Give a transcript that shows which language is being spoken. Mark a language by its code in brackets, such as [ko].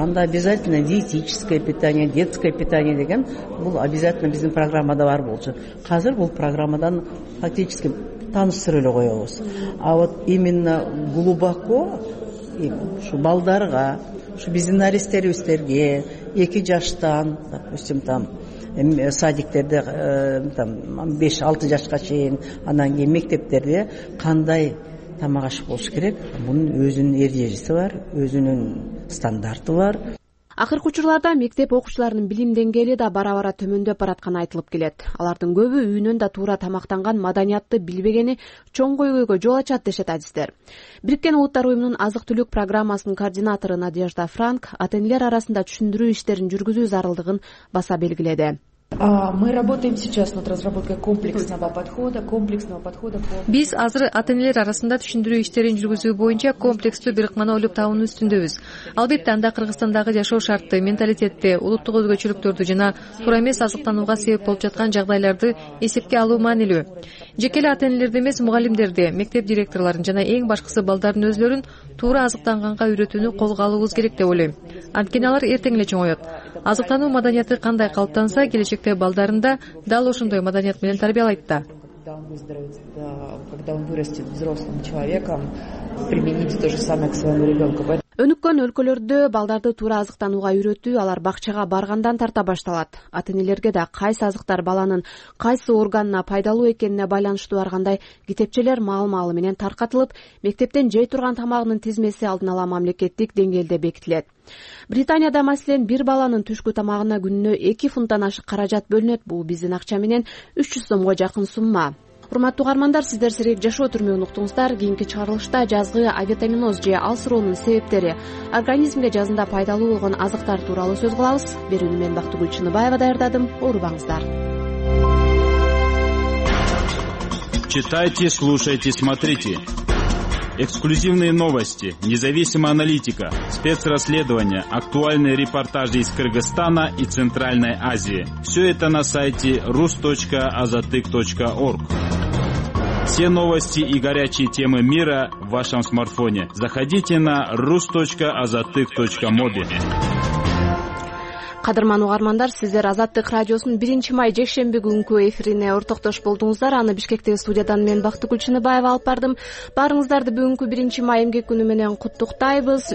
[ky] Анда [ru] обязательно диетическое питание, детское питание [ky] деген бул [ru] обязательно [ky] биздин программада бар болчу. Азыр бул программадан фактически таныштырып эле коебуз. [ru] А вот именно глубоко [ky] ушу балдарга, ушу биздин наристерибиздерге 2 жаштан, [ru] допустим, там [ky] садиктерде 5-6 жашка чейин, анан кийин мектептерде кандай тамак аш болуш керек, мунун өзүнүн эрежеси бар, өзүнүн стандарты бар. Акыркы учурларда мектеп окуучуларынын билим деңгээли да бара бара төмөндөп баратканы айтылып келет. Алардын көбү үйүнөн да туура тамактанган маданиятты билбегени чоң көйгөйгө жол ачат дешет адистер. Бириккен Улуттар Уюмунун азык түлүк программасынын координатору Надежда Франк ата энелер арасында түшүндүрүү иштерин жүргүзүү зарылдыгын баса белгиледи. [ru] Мы работаем сейчас над разработкой комплексного подхода. [ky] Биз азыр ата-энелер арасында түшүндүрүү иштерин жүргүзүү боюнча комплекстүү бир ыкманы ойлоп табуунун үстүндөбүз. Албетте, анда Кыргызстандагы жашоо шартты, менталитетти, улуттук өзгөчөлүктөрдү жана туура эмес азыктанууга себеп болуп жаткан жагдайларды эсепке алуу маанилүү. Жеке эле ата-энелерди эмес, мугалимдерди, мектеп директорлорун жана эң башкысы балдардын өзлөрүн туура азыктанганга үйрөтүүнү колго алуубуз керек деп ойлойм. Анткени алар эртең эле чоңоет. Азыктануу маданияты кандай калыптанса, келечекте балдарын да дал ушундай маданият менен тарбиялайт да. [ru] Когда он вырастет взрослым человеком, применить то же самое к своему ребенку. [ky] Өнүккөн өлкөлөрдө балдарды туура азыктанууга үйрөтүү алар бакчага баргандан тарта башталат. Ата-энелерге да кайсы азыктар баланын кайсы органына пайдалуу экенине байланыштуу ар кандай китепчелер маал-маалы менен таркатылып, мектептен жей турган тамагынын тизмеси алдын ала мамлекеттик деңгээлде бекитилет. Британияда маселен бир баланын түшкү тамагына күнүнө 2 фунттан ашык каражат бөлүнөт. Бул биздин акча менен 300 сомго жакын сумма. Урматтуу каармандар, сиздер сирек жашоо түрмөгүн уктуңуздар. Кийинки чыгарылышта жазгы авитаминоз же алсыроонун себептери, организмге жазында пайдалуу болгон азыктар тууралуу сөз кылабыз. Берүүнү мен Бактыгүл Чыныбаева даярдадым. Оорубаңыздар. [ru] Читайте, слушайте, смотрите. Эксклюзивные новости, независимая аналитика, спецрасследования, актуальные репортажи из Кыргызстана и Центральной Азии. Все это на сайте rus.azatyk.org. Все новости и горячие темы мира в вашем смартфоне. Заходите на rus.azatyk.mobi. [ky] Кадырман угармандар, сиздер Азаттык радиосунун 1-май жекшемби күнкү эфирине ортоктош болдуңуздар. Аны Бишкектеги студиядан мен Бакты Күлчүнөбаева алып бардым. Баарыңыздарды бүгүнкү 1-май эмгек күнү менен куттуктайбыз.